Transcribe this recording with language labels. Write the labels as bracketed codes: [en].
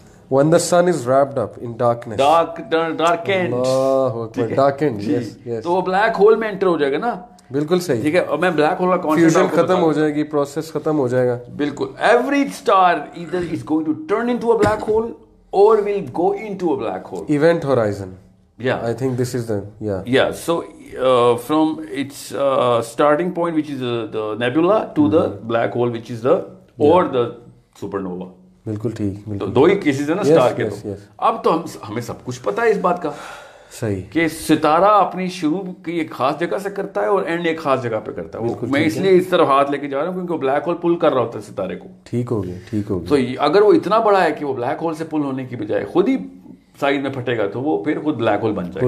[en] When the sun is wrapped up in darkness. Darkened. [ar] اللہ اکبر, [en] darkened. Yes. [ur] تو وہ black hole میں inter ہو جائے گا نا. بالکل صحیح. ٹھیک ہے, اور میں بلیک ہول کا کانسیپٹ فیوژن ختم ہو جائے گی, پروسیس ختم ہو جائے گا. [en] بالکل. Every star either is going to turn into a black hole or will go into a black hole. Event horizon. Yeah. I think this is the, yeah. Yeah, so from its starting point, which is the nebula, to the black hole, which is the, or the supernova. [ur] بالکل ٹھیک. تو دو ہی cases ہیں نا star کے. اب تو ہمیں سب کچھ پتا ہے اس بات کا. صحیح. کہ ستارہ اپنی شروع کی ایک خاص جگہ سے کرتا ہے اور اینڈ ایک خاص جگہ پہ کرتا ہے. میں اس لیے اس طرف ہاتھ لے کے جا رہا ہوں کیونکہ وہ بلیک ہول پل کر رہا ہوتا ہے ستارے کو. ٹھیک ہو گیا, ٹھیک ہو گیا. تو اگر وہ اتنا بڑا ہے کہ وہ بلیک ہول سے پل ہونے کی بجائے خود ہی سائز میں پھٹے گا تو وہ پھر خود بلیک ہول بن جائے گا.